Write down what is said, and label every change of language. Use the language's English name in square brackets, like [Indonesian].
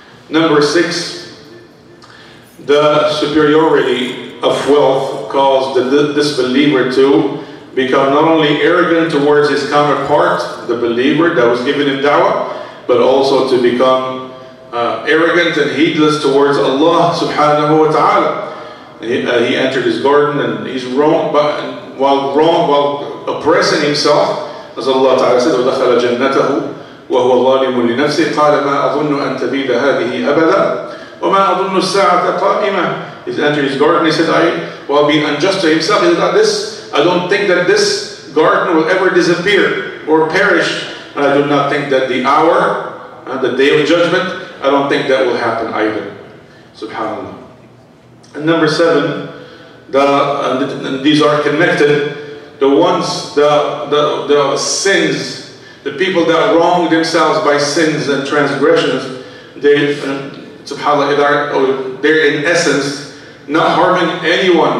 [English] Number six, the superiority of wealth caused the disbeliever to become not only arrogant towards his counterpart, the believer that was given him dawah, but also to become arrogant and heedless towards Allah subhanahu wa ta'ala. He entered his garden and he's wrong, but while oppressing himself, as Allah ta'ala said, [Arabic] وَدَخَلَ جَنَّتَهُ وَهُوَ ظَالِمٌ لِنَفْسِهِ قَالَ مَا أَظُنُّ أَن تَبِيدَ هَذِهِ أَبَدًا وَمَا أَظُنُّ السَّاعَةَ قَائِمًا. [English] He's entered his garden, he said, while being unjust to himself, he said, I don't think that this garden will ever disappear or perish. And I do not think that the hour, the day of judgment, I don't think that will happen either. SubhanAllah. And number seven, and these are connected, the ones, the sins, the people that wrong themselves by sins and transgressions, they, SubhanAllah, they're in essence not harming anyone.